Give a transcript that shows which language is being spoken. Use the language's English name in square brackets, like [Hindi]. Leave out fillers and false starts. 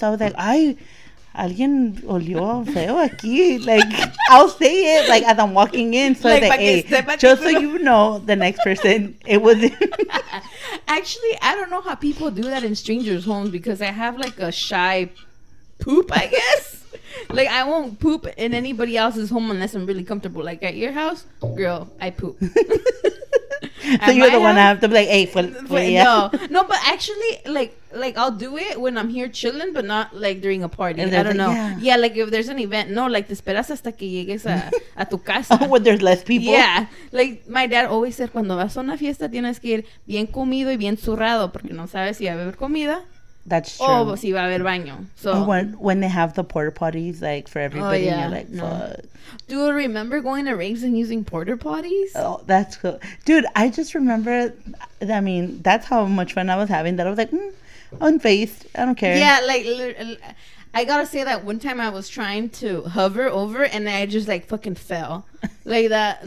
[English] So I was like, [Spanish] alguien olió feo aquí. [English] Like, I'll say it like as I'm walking in, so like, so you know, the next person, it wasn't. Actually, I don't know how people do that in strangers' homes, because I have like a shy poop, I guess. Like, I won't poop in anybody else's home unless I'm really comfortable. Like, at your house, girl, I poop. So you're the one I have to be like, hey, no, but actually, like I'll do it when I'm here chilling, but not like during a party. I don't know. Yeah, like if there's an event, no, like [Spanish] te esperas hasta que llegues a tu casa. [English] Oh, when there's less people. Yeah, like my dad always said, [Spanish] cuando vas a una fiesta, tienes que ir bien comido y bien zurrado, porque no sabes si va a haber comida. [English] That's true. [Spanish] Oh, si va a haber baño. So [English] when they have the porta potties like for everybody, and you're like, fuck. No. Do you remember going to raves and using porta potties? Oh, that's cool, dude. I just remember. I mean, that's how much fun I was having. That I was like, unfazed. I don't care. Yeah, like I gotta say that one time I was trying to hover over and I just like fucking fell like that.